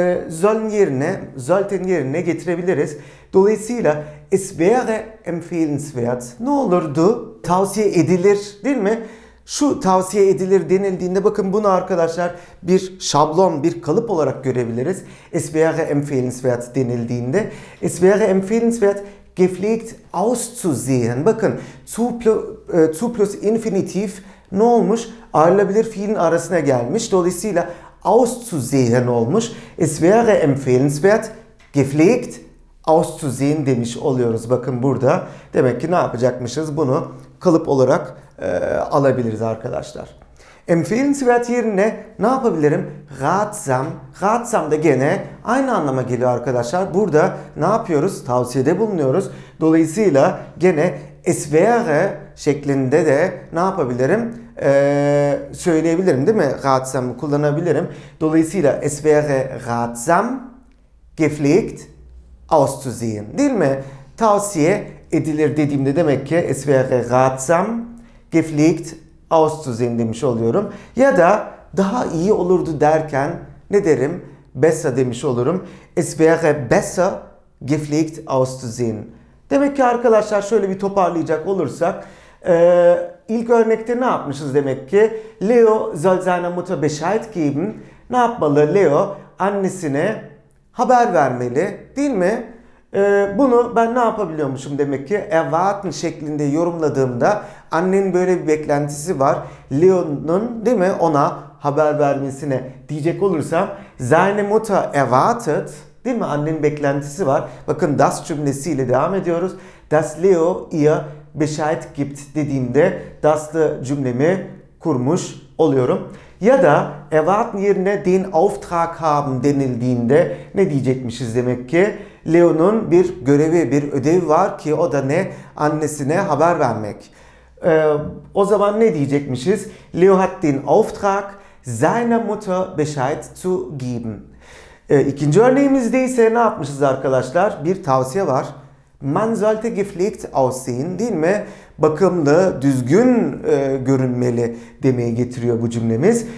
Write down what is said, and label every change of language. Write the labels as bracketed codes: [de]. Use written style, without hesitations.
[tr] Sollen yerine, sollten yerine getirebiliriz. Dolayısıyla [de] es wäre empfehlenswert, [tr] ne olurdu? Tavsiye edilir, değil mi? Şu tavsiye edilir denildiğinde bakın bunu arkadaşlar bir şablon, bir kalıp olarak görebiliriz. [de] Es wäre empfehlenswert [tr] denildiğinde. [de] Es wäre empfehlenswert gepflegt auszusehen. [tr] Bakın [de] zu plus infinitiv [tr] ne olmuş? Ayrılabilir fiilin arasına gelmiş. Dolayısıyla auszusehen olmuş. [de] Es wäre empfehlenswert gepflegt auszusehen [tr] demiş oluyoruz. Bakın burada demek ki ne yapacakmışız? Bunu kalıp olarak alabiliriz arkadaşlar. Empfehlenswert yerine ne yapabilirim? Ratsam. Ratsam da gene aynı anlama geliyor arkadaşlar. Burada ne yapıyoruz? Tavsiyede bulunuyoruz. Dolayısıyla gene [de] es wäre [tr] şeklinde de ne yapabilirim? Söyleyebilirim, değil mi? [de] Ratsam [tr] kullanabilirim. Dolayısıyla [de] es wäre ratsam gepflegt auszusehen, [tr] değil mi? Tavsiye edilir dediğimde demek ki [de] es wäre ratsam gepflegt auszusehen [tr] demiş oluyorum. Ya da daha iyi olurdu derken ne derim? Besser demiş olurum. [de] Es wäre besser gepflegt auszusehen. [tr] Demek ki arkadaşlar şöyle bir toparlayacak olursak ilk örnekte ne yapmışız demek ki? [de] Leo soll seiner Mutter Bescheid geben. [tr] Ne yapmalı? Leo annesine haber vermeli, değil mi? Bunu ben ne yapabiliyormuşum demek ki? Erwarten şeklinde yorumladığımda annenin böyle bir beklentisi var. Leo'nun, değil mi, ona haber vermesine diyecek olursam [de] seine Mutter erwartet, [tr] değil mi, annenin beklentisi var. Bakın das cümlesiyle devam ediyoruz. [de] Das Leo ihr Bescheid gibt [tr] dediğimde daslı cümlemi kurmuş oluyorum. Ya da erwarten yerine [de] den Auftrag haben [tr] denildiğinde ne diyecekmişiz demek ki? Leo'nun bir görevi, bir ödevi var ki o da ne? Annesine haber vermek. O zaman ne diyecekmişiz? [de] Leo hat den Auftrag, seiner Mutter Bescheid zu geben. [tr] İkinci örneğimizde ise ne yapmışız arkadaşlar? Bir tavsiye var. [de] Man sollte gepflegt aussehen, [tr] değil mi? Bakımlı, düzgün görünmeli demeye getiriyor bu cümlemiz.